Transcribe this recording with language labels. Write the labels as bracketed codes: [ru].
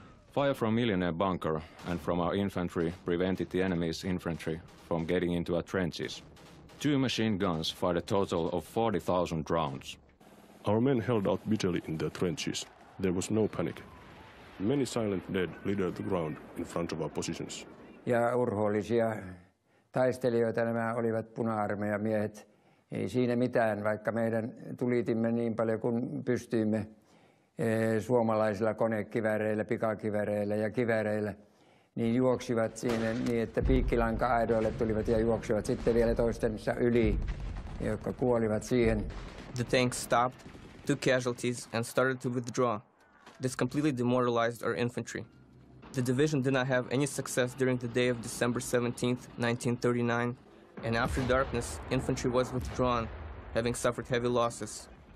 [en] Fire from Millionaire Bunker and from our infantry prevented the enemy's infantry from getting into our trenches. Two machine guns fired a total of 40,000 rounds. Our men held out bitterly in their trenches. There was no panic. Many silent dead littered the ground in front of our positions. [fi] Ja urhoollisia taistelijoita nämä olivat puna-armeijan miehet. Ei siinä mitään, vaikka meidän tulitimme niin paljon kuin pystyimme suomalaisilla konekiväreillä, pikakiväreillä ja kiväreillä, niin juoksivat siinä niin, että piikkilanka-aidoille tulivat ja juoksivat sitten vielä toistensa yli, jotka kuolivat siihen. [en] The tanks stopped, took casualties and started to withdraw. This completely demoralized our infantry. The division did not have any success during the day of December 17, 1939, and after darkness, infantry was withdrawn, having suffered heavy losses.